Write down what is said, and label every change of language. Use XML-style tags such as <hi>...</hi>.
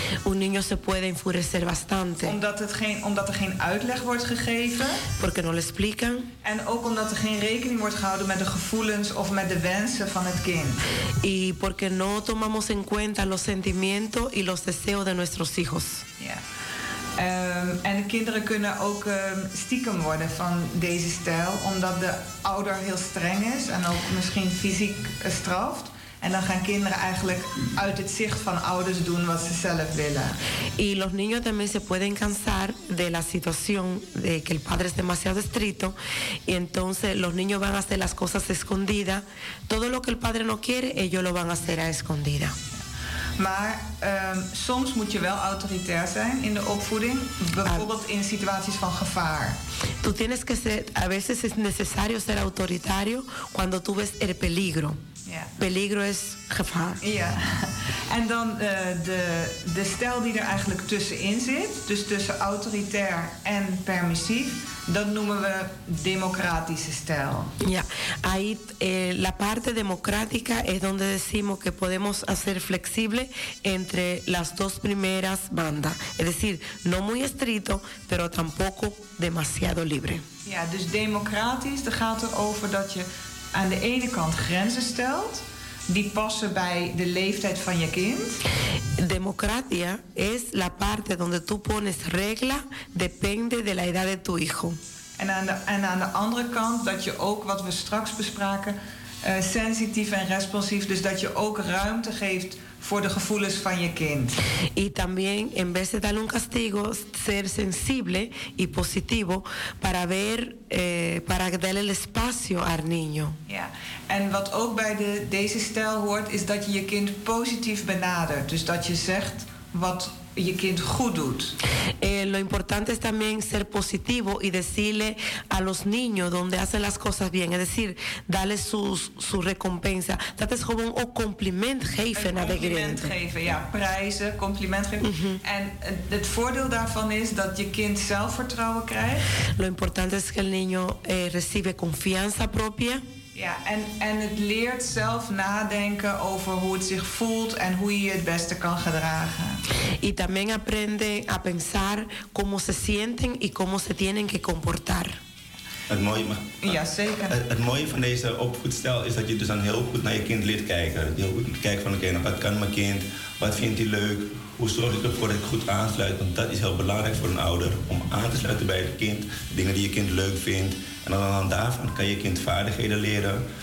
<es>Un niño se puede enfurecer bastante.</es> <nl>Omdat er geen uitleg wordt gegeven.</nl> <es>Porque no le explican.</es> <nl>En ook omdat er geen rekening wordt gehouden met de gevoelens of met de wensen van het kind.</nl> <es>Y porque no tomamos en cuenta los sentimientos y los deseos de nuestros hijos.</es> <nl>Ja. En kinderen kunnen ook stiekem worden van deze stijl, omdat de ouder heel streng is en ook misschien fysiek straft. En dan gaan kinderen eigenlijk uit het zicht van ouders doen wat ze zelf willen.</nl> <es>Y los niños también se pueden cansar de la situación de que el padre es demasiado estricto. Y entonces los niños van a hacer las cosas escondidas. Todo lo que el padre no quiere, ellos lo van a hacer a escondida.</es> <nl>Maar soms moet je wel autoritair zijn in de opvoeding, bijvoorbeeld in situaties van gevaar.</nl> <es>Tú tienes que ser, a veces es necesario ser autoritario cuando tú ves el peligro. Yeah. Peligro es gevaar.</es> <nl>Ja. En dan de stijl die er eigenlijk tussenin zit, dus tussen autoritair en permissief, dat noemen we democratische stijl.</nl> <es>Ja, ahí la parte democrática es donde decimos que podemos hacer flexible entre las dos primeras bandas. Es decir, no muy estricto, pero tampoco demasiado libre.</es> <nl>Ja, dus democratisch, dat gaat erover dat je aan de ene kant grenzen stelt die passen bij de leeftijd van je kind.</nl> <es>Democratia es la parte donde tú pones regla depende de la edad de tu hijo.</es> <nl>En aan de andere kant dat je ook, wat we straks bespraken, sensitief en responsief, dus dat je ook ruimte geeft voor de gevoelens van je kind.</nl> <es>Y también en vez de darle un castigo, ser sensible y positivo para ver para darle el espacio al niño.</es> <nl>Ja. En wat ook bij deze stijl hoort is dat je je kind positief benadert, dus dat je zegt wat je kind goed doet.</nl> <es>Lo importante es también ser positivo y decirle a los niños donde hacen las cosas bien, es decir, darle su recompensa.</es> <nl>Dat es gewoon ook compliment geven naar de kinderen. Compliment geven, ja, prijzen, compliment geven. Uh-huh. En het voordeel daarvan is dat je kind zelfvertrouwen krijgt.</nl> <es>Lo importante es que el niño recibe confianza propia.</es> <nl>Ja, en het leert zelf nadenken over hoe het zich voelt en hoe je het beste kan gedragen.</nl> <es>Y también aprende a pensar cómo se sienten y cómo se tienen que comportar.</es> <nl>Het mooie, maar, ja, zeker. Het mooie van deze opvoedstijl is dat je dus dan heel goed naar je kind leert kijken. Heel goed kijken van oké, nou, wat kan mijn kind? Wat vindt hij leuk? Hoe zorg ik ervoor dat ik goed aansluit? Want dat is heel belangrijk voor een ouder. Om aan te sluiten bij het kind. Dingen die je kind leuk vindt. En dan aan daarvan kan je kind vaardigheden leren.</nl>